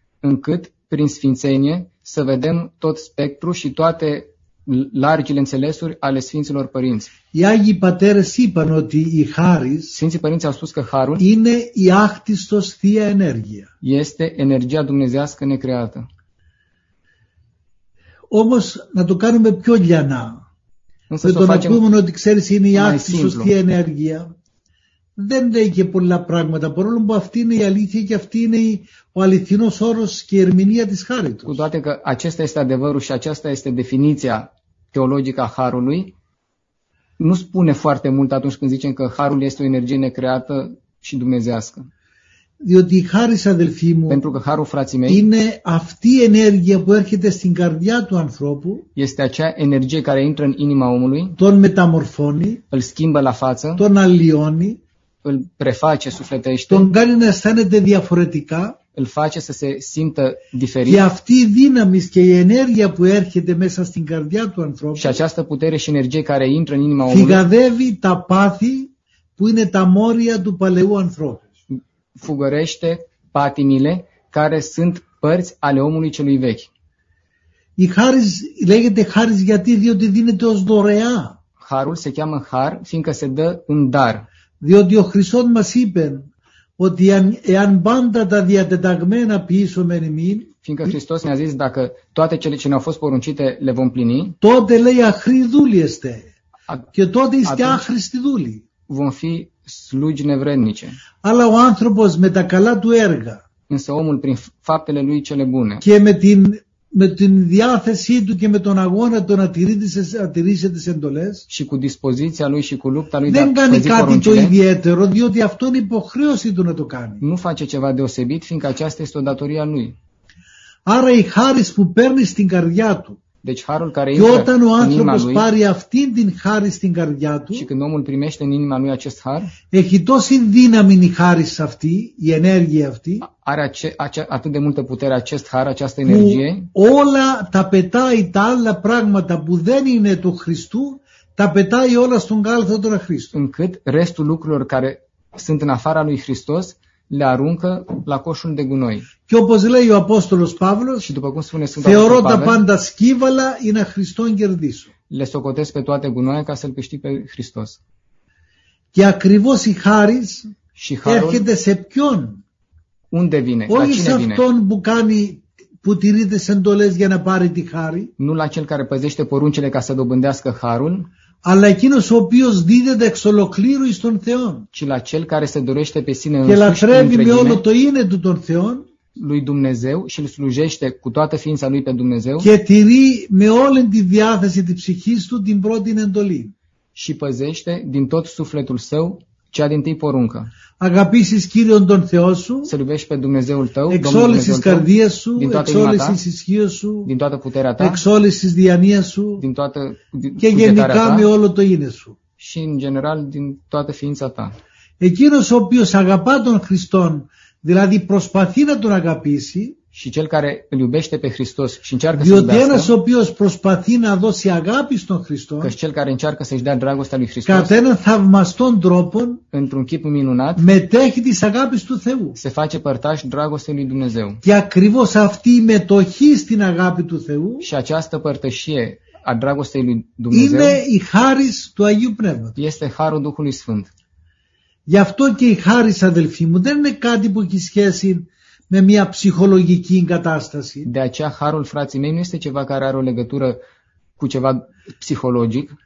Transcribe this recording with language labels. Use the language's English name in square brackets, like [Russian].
[Romanian] Încât, prin Sfințenie, să vedem tot spectrul și toate largile înțelesuri ale Sfinților Părinți. [Greek] Οι Άγιοι Πατέρες είπαν ότι η χάρις, [Romanian] Sfinții Părinți au spus că harul [Greek] είναι η άκτιστος θεία ενέργεια. [Romanian] Este energia dumnezească necreată. [Greek] Όμως, να το κάνουμε πιο λιανά. Με το να πούμε ότι ξέρεις είναι η άκτιστος θεία ενέργεια, δεν λέει και πολλά πράγματα. Παρόλο που αυτή είναι η αλήθεια και αυτή είναι η, ο αληθινός όρος και η ερμηνεία της χάριτος. [Romanian] Cu toate că acesta este adevărul și aceasta este definiția teologică a harului, nu spune foarte mult atunci când zicem că harul este o energie necreată și dumnezească. [Greek] Διότι η χάρις, αδελφοί μου, [Romanian] pentru că harul, frații mei, [Greek] είναι αυτή η ενέργεια που έρχεται στην καρδιά του ανθρώπου, [Romanian] este acea energie care intră în inima omului, [Greek] τον μεταμορφώνει, [Romanian] îl schimbă la față, [Greek] τον αλλοιώνει, [Romanian] îl preface sufletește, [Greek] τον κάνει να αισθάνεται διαφορετικά, [Romanian] îl face să se simtă diferit. [Greek] Και αυτή η δύναμη και η ενέργεια που έρχεται μέσα στην καρδιά του ανθρώπου, [Romanian] și această putere și energie care intră în inima [Greek] omului, φυγαδεύει τα πάθη που είναι τα μόρια του παλαιού ανθρώπου. [Romanian] Fugărește patimile care sunt părți ale omului celui vechi. [Greek] Η χάρις λέγεται χάρις γιατί διότι δίνεται ως δωρεά. [Romanian] Harul se cheamă har fiindcă se dă în dar. [Greek] Διότι ο Χριστός μας είπε ότι εάν πάντα τα διατεταγμένα πείσουμε εμείς, [Romanian] fiindcă Hristos ne-a zis dacă toate cele ce ne-au fost poruncite le vom plini, [Greek] τότε λέει αχρηδούλοι είστε και τότε είστε άχρηστοι δούλοι. [Romanian] Vom fi slugi nevrednice. [Greek] Αλλά ο άνθρωπος με τα καλά του έργα, [Romanian] însă omul prin faptele lui cele bune, [Greek] και με την διάθεσή του και με τον αγώνα του να τηρήσει τις εντολές, [Romanian] și cu dispoziția lui și cu lupta lui, [Greek] δεν κάνει κάτι το ιδιαίτερο, διότι αυτό είναι υποχρέωση του να το κάνει. [Romanian] Nu face ceva deosebit, fiindcă aceasta este o datoria lui. [Greek] Άρα η χάρις που παίρνει στην καρδιά του, [Romanian] deci harul care [Greek] και όταν ο άνθρωπος πάρει αυτή την χάρη στην καρδιά του, [Romanian] și când omul primește în inima lui acest har, [Greek] έχει τόση δύναμη η χάρη σε αυτή, η ενέργεια αυτή, [Romanian] are atât de multă putere acest har, această energie, [Greek] όλα τα πετάει τα άλλα πράγματα που δεν είναι του Χριστού, τα πετάει όλα στον κάλθο του Χριστού. [Romanian] Încât restul lucrurilor care sunt în afara lui Hristos, le aruncă la coșul de gunoi. [Greek] Και όπως λέει ο Απόστολος Παύλος, [Romanian] și după cum spune Sfântul [Greek] Apostol Pavel, θεωρώ τα πάντα σκύβαλα ή να Χριστόν κερδίσω. [Romanian] Le socotesc pe toate gunoaia ca să-L câștig pe Hristos. [Greek] Και ακριβώς η χάρις έρχεται σε ποιον. [Romanian] Unde vine, la cine vine. [Greek] Όχι σε αυτόν που κάνει, που τηρεί τις εντολές για να πάρει τη χάρη. [Romanian] Nu la cel care păzește poruncele ca să dobândească harul. [Greek] Αλλά εκείνος ο οποίος δίδεται εξ ολοκλήρου εις τον Θεό. Και λατρεύει με όλο το είναι του τον Θεό. [Romanian] Lui Dumnezeu și îl slujește cu toată ființa lui pe Dumnezeu. [Greek] Και τηρεί με όλη τη διάθεση της ψυχής του την πρώτη εντολή. [Romanian] Și păzește din tot sufletul său cea din tâi poruncă. [Greek] Αγαπήσεις Κύριον τον Θεό σου, [Romanian] să iubești pe Dumnezeul τău, [Greek] εξ όλης της καρδίας σου, εξ όλης της ισχύος σου, [Romanian] din toată puterea ta, [Greek] εξ όλης της διανοίας σου, [Romanian] din toată, [Greek] και γενικά [Romanian] ta, [Greek] με όλο το είναι σου. [Romanian] Și în general din toată ființa ta. [Greek] Εκείνος ο οποίος αγαπά τον Χριστόν, δηλαδή προσπαθεί να τον αγαπήσει, [Romanian] și cel care îl iubește pe Hristos și încearcă să-l iubească, [Greek] ένας ο οποίος προσπαθεί να δώσει αγάπη στον Χριστό, [Romanian] că cel care încearcă să-și dea dragostea lui Hristos, [Greek] κατά έναν θαυμαστόν τρόπο, [Romanian] într-un chip minunat, [Greek] μετέχει της αγάπης του Θεού, [Romanian] se face părtaș dragostei lui Dumnezeu, [Greek] και ακριβώς αυτή η μετοχή στην αγάπη του Θεού, [Romanian] și această părτășie a dragostei lui Dumnezeu, [Greek] είναι η χάρις του Αγίου Πνεύματος, [Romanian] este harul Duhului Sfânt. [Greek] Γι' αυτό και η χάρις, αδελφοί μου, δεν είναι κάτι που έχει σχέση με μια ψυχολογική κατάσταση. [Romanian] De aceea, harul, frații mei, nu este ceva care are o legătură cu ceva psihologic.